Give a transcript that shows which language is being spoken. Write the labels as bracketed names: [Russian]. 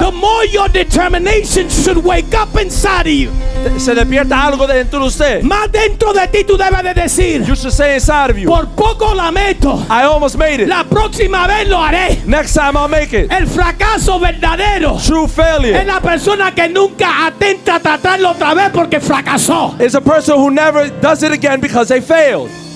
[English] The more your determination should wake up inside of you. [Spanish] Se despierta algo dentro de usted. Más dentro de ti tú debes de decir. [English] You should say inside of you. [Spanish] Por poco la meto. [English] I almost made it. [Spanish] La próxima vez lo haré. [English] Next time I'll make it. [Spanish] El fracaso verdadero. [English] True failure. [Spanish] Es la persona que nunca atenta a tratarlo otra vez porque fracasó. [English] It's a person who never does it again because they failed.